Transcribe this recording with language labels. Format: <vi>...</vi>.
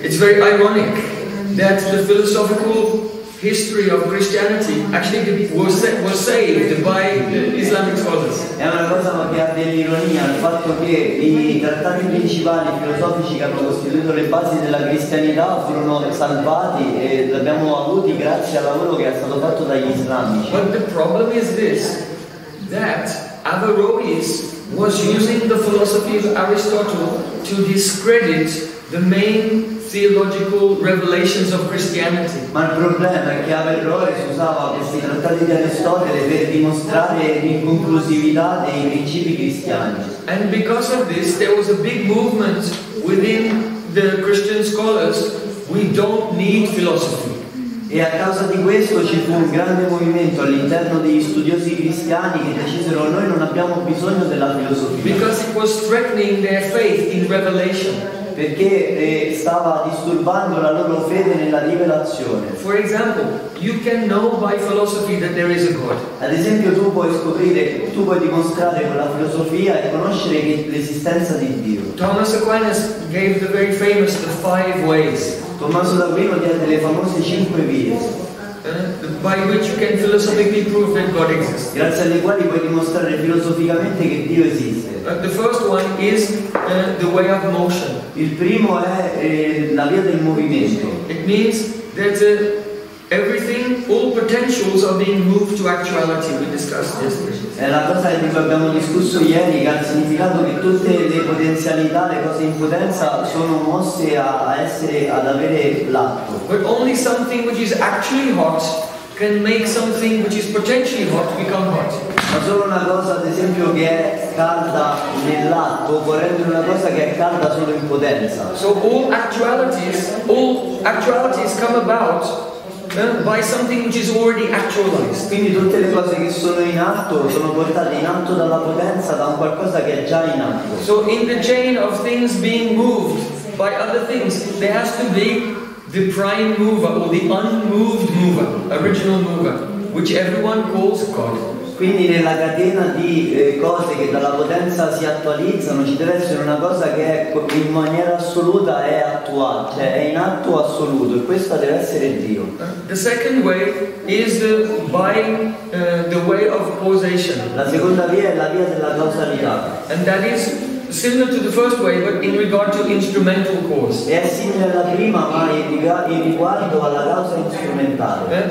<en>It's very ironic that the philosophical history of Christianity actually was saved by Islamic scholars.</en> <it>È una cosa che ha dell'ironia il fatto che i trattati principali filosofici che hanno costituito le basi della cristianità furono salvati e l'abbiamo avuti grazie al lavoro che è stato fatto dagli islamici.</it> <en>But the problem is this, that Averroes was using the philosophy of Aristotle to discredit the main theological revelations of Christianity.</en> <it>Ma il problema è che Averroes usava questi trattati di Aristotele per dimostrare l'inconclusività dei principi cristiani.</it> <en>And because of this, there was a big movement within the Christian scholars. We don't need philosophy.</en> <it>E a causa di questo ci fu un grande movimento all'interno degli studiosi cristiani che decisero noi non abbiamo bisogno della filosofia.</it> <en>Because it was threatening their faith in revelation.</en> <it>Perché stava disturbando la loro fede nella rivelazione.</it> <en>For example, you can know by philosophy that there is a God.</en> <it>Ad esempio, tu puoi dimostrare con la filosofia e conoscere l'esistenza di Dio.</it> <en>Thomas Aquinas gave the very famous the five ways.</en> <it>Tommaso d'Aquino diede le famose cinque vie.</it> <en>By which you can philosophically prove that God exists.</en> <it>Grazie alle quali puoi dimostrare filosoficamente che Dio esiste.</it> <en>The first one is the way of motion.</en> <it>Il primo è la via del movimento.</it> <en>It means that everything, all potentials are being moved to actuality. We discussed this.</en> <it>È la cosa di cui abbiamo discusso ieri che ha significato che tutte le potenzialità, le cose in potenza, sono mosse ad avere l'atto.</it> <en>But only something which is actually hot can make something which is potentially hot become hot.</en> <it>Ma solo una cosa, ad esempio, che è calda nell'atto può rendere una cosa che è calda solo in potenza.</it> <en>So all actualities come about by something which is already actualized.</en> <it>Quindi tutte le cose che sono in atto sono portate in atto dalla potenza, da un qualcosa che è già in atto.</it> <en>So in the chain of things being moved by other things, there has to be the prime mover or the unmoved mover, original mover, which everyone calls God.</en> <it>Quindi nella catena di cose che dalla potenza si attualizzano ci deve essere una cosa che in maniera assoluta è attuale, cioè è in atto assoluto, e questa deve essere Dio.</it> <en>The second way is by the way of causation.</en> <it>La seconda via è la via della causalità.</it> <en>And that is similar to the first way, but in regard to instrumental cause.</en> <it>È simile alla prima, ma in riguardo alla causa strumentale.</it>